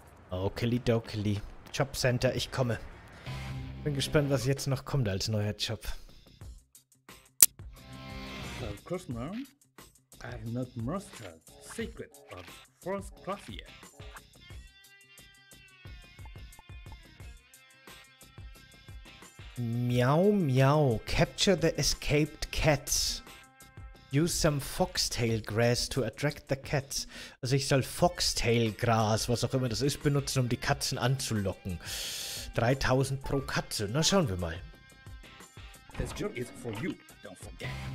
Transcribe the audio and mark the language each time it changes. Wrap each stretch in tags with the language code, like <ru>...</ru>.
<de>Okay, dokili. Jobcenter, ich komme. Bin gespannt, was jetzt noch kommt als neuer Job.</de> <en>Of course, ma'am. I have not mastered secret of first class yet. Miau, miau. Capture the escaped cats. Use some Foxtail Grass to attract the cats.</en> <de>Also ich soll Foxtail Gras, was auch immer das ist, benutzen, um die Katzen anzulocken. 3000 pro Katze. Na, schauen wir mal.</de> <en>This job is for you. Don't forget.</en>